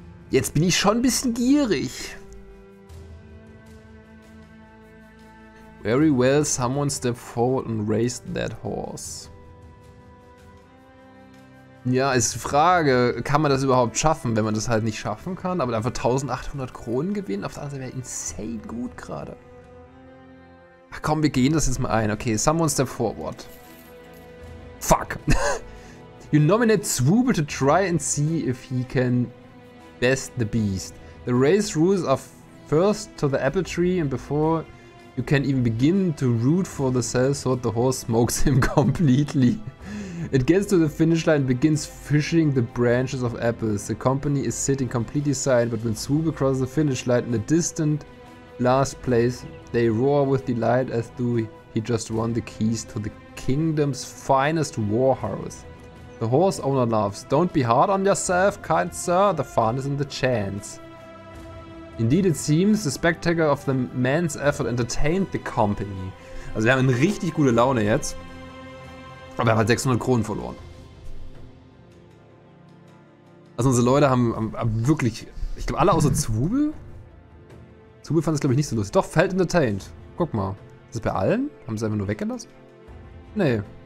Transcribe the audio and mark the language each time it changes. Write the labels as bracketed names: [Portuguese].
[German] Jetzt bin ich schon ein bisschen gierig. [English] Very well, someone step forward and raise that horse. [German] Ja, ist die Frage, kann man das überhaupt schaffen, wenn man das halt nicht schaffen kann? Aber einfach 1800 Kronen gewinnen, auf der anderen Seite wäre insane gut gerade. Ach komm, wir gehen das jetzt mal ein. [English] Okay, someone step forward. Fuck. You nominate Zwoobe to try and see if he can best the beast. The race rules are first to the apple tree and before you can even begin to root for the sellsword, the horse smokes him completely. It gets to the finish line and begins fishing the branches of apples. The company is sitting completely silent, but when Swoop across the finish line in a distant last place, they roar with delight as do he just won the keys to the kingdom's finest war horse. The horse owner laughs. Don't be hard on yourself, kind sir. The fun is in the chance. Indeed, it seems the spectacle of the man's effort entertained the company. [German] Also wir haben eine richtig gute Laune jetzt. Aber wir haben halt 600 Kronen verloren. Also unsere Leute haben wirklich, ich glaube alle außer Zwubel. Zwubel fand es glaube ich nicht so lustig. Doch, Feld Entertained. Guck mal. Ist das bei allen? Haben sie es einfach nur weggelassen? Nee.